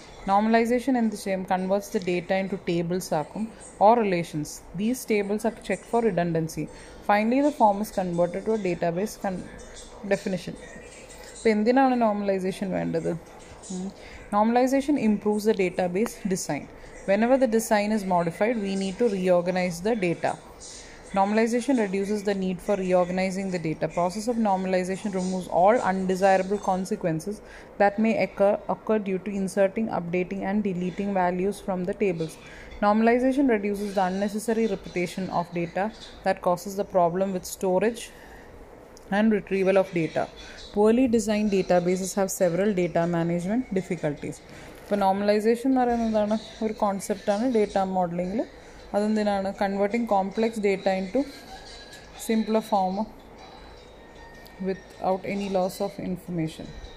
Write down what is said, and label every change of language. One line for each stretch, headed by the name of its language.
English: normalisation
Malayalam: എന്ത് ചെയ്യും?
English: converts the data into tables
Malayalam: ആക്കും
English: Or relations. These tables are check for redundancy. Finally the form is converted to a database definition.
Malayalam: ഇപ്പോൾ എന്തിനാണ് normalisation വേണ്ടത്?
English: Normalization improves the database design. Whenever the design is modified, we need to reorganize the data. Normalization reduces the need for reorganizing the data. Process of normalization removes all undesirable consequences that may occur due to inserting, updating, and deleting values from the tables. Normalization reduces the unnecessary repetition of data that causes the problem with storage and retrieval of data. Poorly designed databases have several data management difficulties.
Malayalam: ഇപ്പോൾ normalisation എന്ന് പറയുന്നതാണ് ഒരു കോൺസെപ്റ്റാണ് data മോഡലിംഗിൽ. അതെന്തിനാണ്?
English: Converting complex data into simpler form without any loss of information.